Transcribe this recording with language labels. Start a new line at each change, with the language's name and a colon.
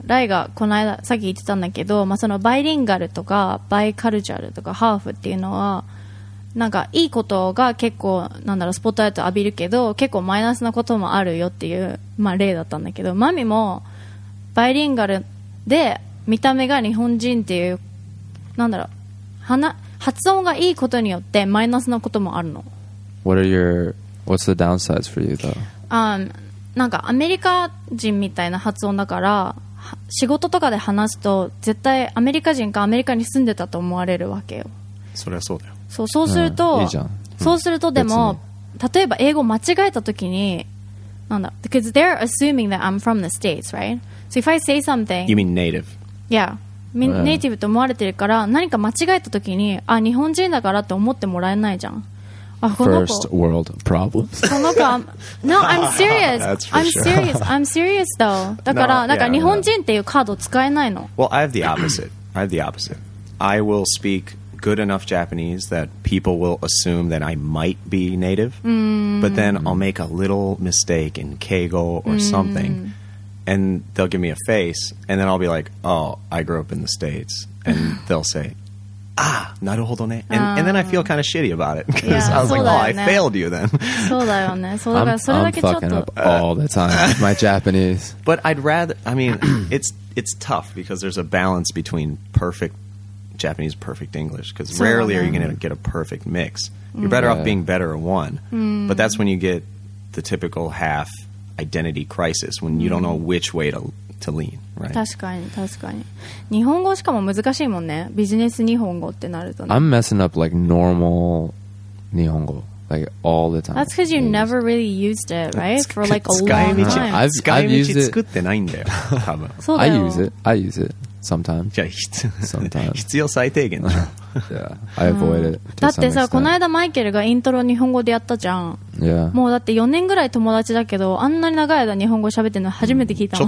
Japanese: ライがこの間、さっき言ってたんだけど、まあ、そのバイリンガルとか、バイカルチャルとか、ハーフっていうのは、なんかいいことが結構、なんだろう、スポットライト浴びるけど、結構マイナスなこともあるよっていう、まあ、例だったんだけど、マミもバイリンガルで見た目が日本人っていう、なんだろう発音がいいことによってマイナスなこともあるの
English: What are your, What's the downsides for you though?
Japanese: なんかアメリカ人みたいな発音だから仕事とかで話すと絶対アメリカ人かアメリカに住んでたと思われるわけよそれはそうだよそうすると、いいじゃんそうするとでも例えば英語間違えた時に何だ
English: Because they're assuming that I'm from the States, right? So if I say something You mean native? Yeah.
Japanese: ネイティブと思われてるから何か間違えた時にあ日本人だからって思ってもらえないじゃんあこの子
English: First world problems
Japanese: この子
English: No, I'm serious I'm serious I'm serious though
Japanese: だから
English: no,
Japanese: なんか日本人っていうカード使えないの
English: Well, I have the opposite I have the opposite. I will speak good enough Japanese that people will assume that I might be native, but then I'll make a little mistake in keigo or something, and they'll give me a face, and then I'll be like, oh, I grew up in the States, and they'll say, ah,
Japanese: なるほどね.
English: And then I feel kind of shitty about it, because I was like, oh, I failed you then. I'm fucking up all the time with my Japanese. But I'd rather, I mean, it's tough, because there's a balance between perfect Japanese, perfect English, because rarely are you going to get a perfect mix. You're better off being better at one, but that's when you get the typical half identity crisis, when you don't know which way to lean, right?
Japanese: 確かに。日本語しかも難しいもんね。ビジネス日本語ってなるとね。
English: I'm messing up like normal 日本語, like all the time. That's because you never really used it, right? For like a long time.
Japanese: 使い道作ってないんだよ、多分。そうだよ。
English: I use it. Sometimes. Sometimes.
Japanese: 必要最低限。
English: Yeah, I avoid it.
Japanese: だってさ、この間マイケルがイントロ日本語でやったじゃん。
English: Yeah.
Japanese: もうだって4年ぐらい友達だけど、あんなに長い間日本語喋ってるの初めて聞いたもん。